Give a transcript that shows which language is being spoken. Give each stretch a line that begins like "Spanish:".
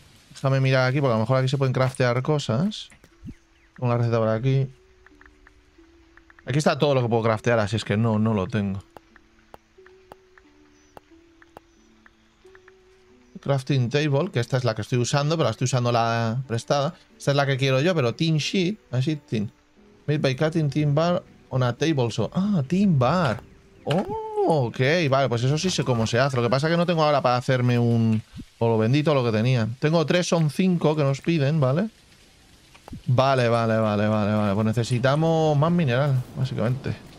Spanish: Déjame mirar aquí porque a lo mejor aquí se pueden craftear cosas. Con la receta por aquí. Aquí está todo lo que puedo craftear, así es que no, no lo tengo. Crafting table, que esta es la que estoy usando, pero la estoy usando la prestada. Esta es la que quiero yo, pero tin sheet, así tin.
English: Made by cutting tin bar on a table saw. Ah, tin bar.
Spanish: Oh, ok, vale, pues eso sí sé cómo se hace. Lo que pasa es que no tengo ahora para hacerme un... O lo bendito lo que tenía. Tengo tres, son cinco que nos piden, ¿vale? Vale, vale, vale, vale, vale. Pues necesitamos más mineral, básicamente.